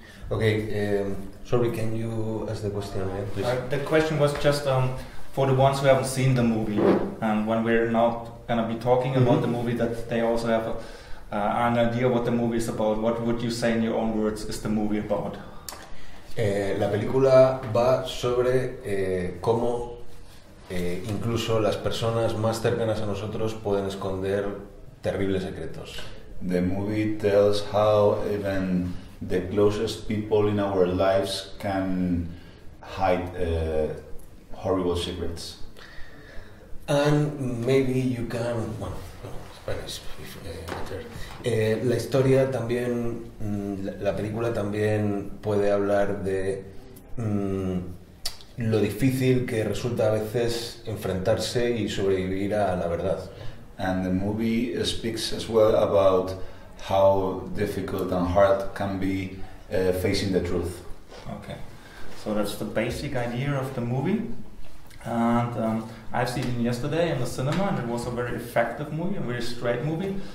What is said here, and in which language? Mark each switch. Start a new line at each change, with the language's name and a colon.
English: Okay, sorry, can you ask the question again, please? The question was just for the ones who haven't seen the movie, and when we're now going to be talking about the movie, that they also have an idea what the movie is about. What would you say in your own words is the movie about?
Spanish: La película va sobre cómo incluso las personas más cercanas a nosotros pueden esconder terribles secretos.
English: The movie tells how even the closest people in our lives can hide horrible secrets. And maybe you can...
Spanish: la historia también, la película también puede hablar de lo difícil que resulta a veces enfrentarse y sobrevivir a la verdad.
English: And the movie speaks as well about how difficult and hard can be facing the truth. Okay, so that's the basic idea of the movie. And I've seen it yesterday in the cinema, and it was a very effective movie, a very straight movie.